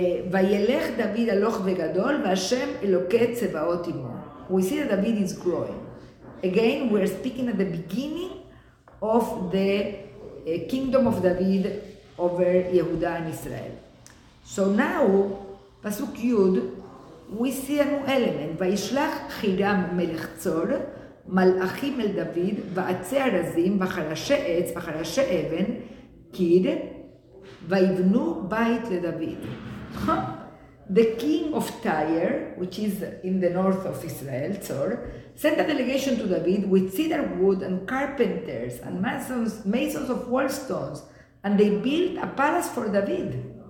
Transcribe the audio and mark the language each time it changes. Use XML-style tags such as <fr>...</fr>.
<he>Vayelech David aloch vegadol, v'ashem eloke tzevaot imo.</he> <en>We see that David is growing. Again, we're speaking at the beginning of the kingdom of David over Yehuda and Israel. So now, Pasuk Yud, we see a new element.</en> <he>Vayishlach Hiram melech tzor, מלאכים אל דוד, ועצי ארזים, וחרשי עץ, וחרשי אבן, קיר, ויבנו בית לדוד.</he> <en>The king of Tyre, which is in the north of Israel, Tzor, sent a delegation to David with cedar wood and carpenters and masons of wall stones, and they built a palace for David.</en>